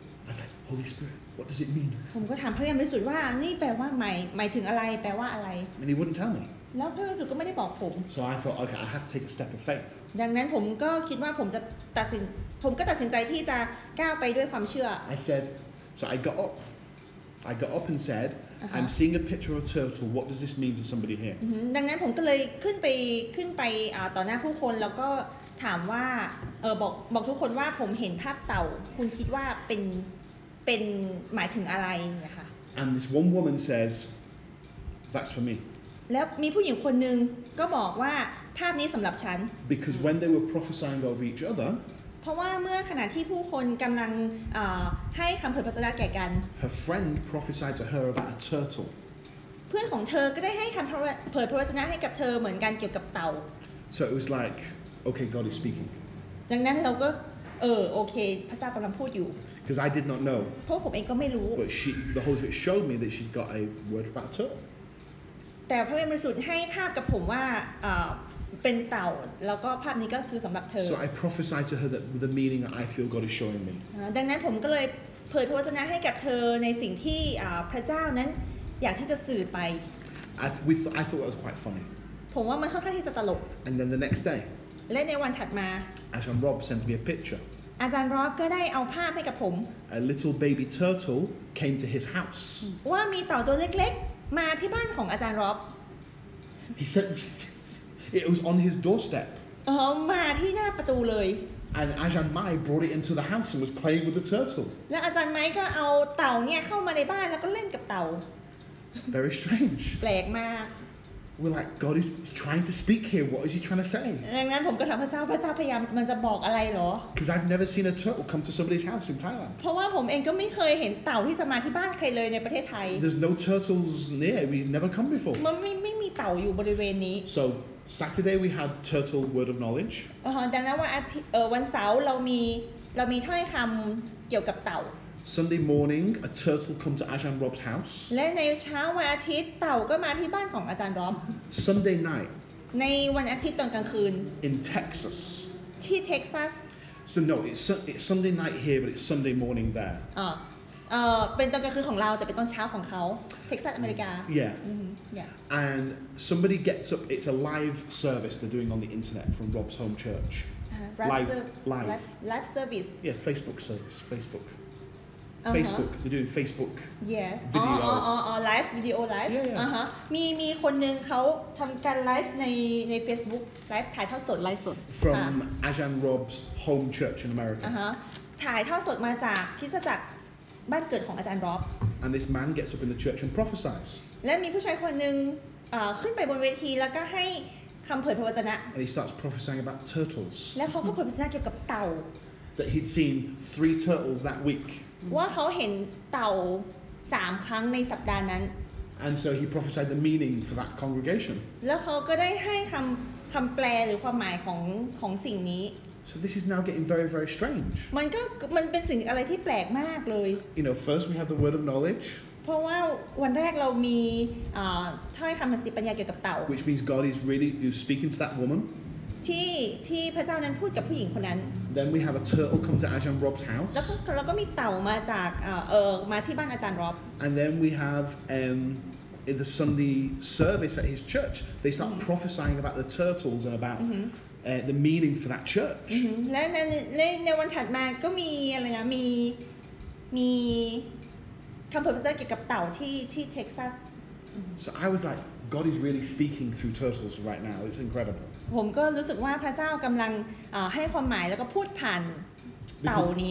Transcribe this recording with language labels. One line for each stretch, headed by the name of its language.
English: I say Holy Spirit What does it mean
Thai: ผมก็ถามพระเยซูในสุดว่านี่แปลว่าหมายถึงอะไรแปลว่าอะไร
English: And he wouldn't tell me
Thai: แล้วพระเยซูก็ไม่ได้บอกผม
English: So I thought okay I have to take a step of faith
Thai: ดังนั้นผมก็คิดว่าผมก็ตัดสินใจที่จะก้าวไปด้วยความเชื่อ
English: I said so I got up and said uh-huh. I'm seeing a picture of a turtle what does this mean to somebody here
Thai: ดังนั้นผมก็เลยขึ้นไปต่อหน้าผู้คนแล้วก็ถามว่าบอกทุกคนว่าผมเห็นภาพเต่าคุณคิดว่าเป็นหมายถึงอะไรเนี่ยค่ ะ
English: And this one woman says that's for me
Thai: แล้วมีผู้หญิงคนนึงก็บอกว่าภาพนี้สำหรับฉัน
English: Because when they were prophesying over each other
Thai: เพราะว่าเมื่อขณะที่ผู้คนกำลังให้คำเผยพระวจนะแก่กัน
English: Her friend prophesied to her about a turtle
Thai: เพื่อนของเธอก็ได้ให้คำเผยพระวจนะให้กับเธอเหมือนกันเกี่ยวกับเต่า
English: So it was like okay God is speaking
Thai: ดังนั้นเราก็โอเคพระเจ้ากำลังพูดอยู่
English: Because I did not know
Thai: เพราะผมเองก็ไม่รู้
English: But she, the Holy Spirit showed me that she's got a word about her
Thai: แต่พระเยซูให้ภาพกับผมว่า ป็นเต่าแล้วก็ภาพนี้ก็คือสำหรับเธอ
English: so I prophesy to her that the meaning that I feel God is showing me
Thai: ดังนั้นผมก็เลยเผยพระวจนะให้กับเธอในสิ่งที่พระเจ้านั้นอยากที่จะสื่อไป
English: I thought that was quite funny
Thai: ผมว่ามันค่อนข้างที่จะตลก
English: and then the next day
Thai: และในวันถัดมา
English: Ashram Rob sent me a picture
Thai: อาจารย์รอบก็ได้เอาภาพให้กับผม
English: A little baby turtle came to his house
Thai: ว่ามีเต่าตัวเล็กๆมาที่บ้านของอาจารย์รอบ
English: He said it was on his doorstep
Thai: มาที่หน้าประตูเลย
English: And Ajahn Mai brought it into the house and was playing with the turtle
Thai: และอาจารย์ไมค์ก็เอาเต่าเนี่ยเข้ามาในบ้านแล้วก็เล่นกับเต่า
English: Very strange
Thai: แปลกมาก
English: We're like God is trying to speak here. What is He trying to say?
Thai: งั้นผมก็ถามพระเจ้าพระเจ้าพยายามมันจะบอกอะไรเหรอ
English: Because I've never seen a turtle come to somebody's house in Thailand.
Thai: เพราะว่าผมเองก็ไม่เคยเห็นเต่าที่จะมาที่บ้านใครเลยในประเทศไทย
English: There's no turtles near. We've never come before.
Thai: มันไม่มีเต่าอยู่บริเวณนี้
English: So Saturday we had turtle word of knowledge.
Thai: ดังนั้นวันเสาร์เรามีถ้อยคำเกี่ยวกับเต่า
English: Sunday morning, a turtle comes to Ajahn Rob's house.
Thai: และในเช้าวันอาทิตย์เต่าก็มาที่บ้านของอาจารย์ร็อบ
English: Sunday night.
Thai: ในวันอาทิตย์ตอนกลางคืน
English: In Texas.
Thai: ที่เท็กซัส
English: So no, it's Sunday night here, but it's Sunday morning there.
Thai: เป็นตอนกลางคืนของเราแต่เป็นตอนเช้าของเขาเท็กซัสอเมริกา
English: Yeah. Yeah. And somebody gets up. It's a live service they're doing on the internet from Rob's home church. Live service. Yeah, Facebook service. Facebook. Facebook uh-huh. they're doing Facebook yes video. Live video live yeah.
Thai: มีคนนึงเขาทำการไลฟ์ใน Facebook ไลฟ์ถ่ายทอดสดไลฟ์สด
English: from Ajahn Rob's home church in America
Thai: ถ่ายทอดสดมาจากคริสตจักรบ้านเกิดของอาจารย์ร็อบ
English: and this man gets up in the church and prophesies
Thai: และมีผู้ชายคนนึงขึ้นไปบนเวทีแล้วก็ให้คำเผยพระวจนะ
English: and he starts prophesying about turtles
Thai: และเขาก็เผยพระวจนะเกี่ยวกับเต่า
English: that he'd seen 3 turtles that week
Thai: ว่าเขาเห็นเต่า3ครั้งในสัปดาห์นั้น
English: And so he prophesied the meaning for that congregation
Thai: แล้วเขาก็ได้ให้คำแปลหรือความหมายของสิ่งนี้
English: So this is now getting very very strange
Thai: มันเป็นสิ่งอะไรที่แปลกมากเลย
English: You know first we have the word of knowledge
Thai: เพราะว่าวันแรกเรามีถ้อยคำภาษาปัญญาเกี่ยวกับเต่า
English: Which means God is really you're speaking to that woman
Thai: ที่พระเจ้านั้นพูดกับผู้หญิงคนนั้น
English: Then we have a turtle come to Ajahn Rob's house
Thai: แล้วก็มีเต่ามาจากมาที่บ้านอาจารย์ร็อบ
English: And then we have in the Sunday service at his church they start prophesying about the turtles and aboutthe meaning for that church
Thai: และในวันถัดมาก็มีอะไรนะมีคำเผยพระเจ้าเกี่ยวกับเต่าที่เท็กซัส
English: So I was like God is really speaking through turtles right now it's incredible
Thai: ผมก็รู้สึกว่าพระเจ้ากำลังให้ความหมายแล้วก็พูดผ่านเต่านี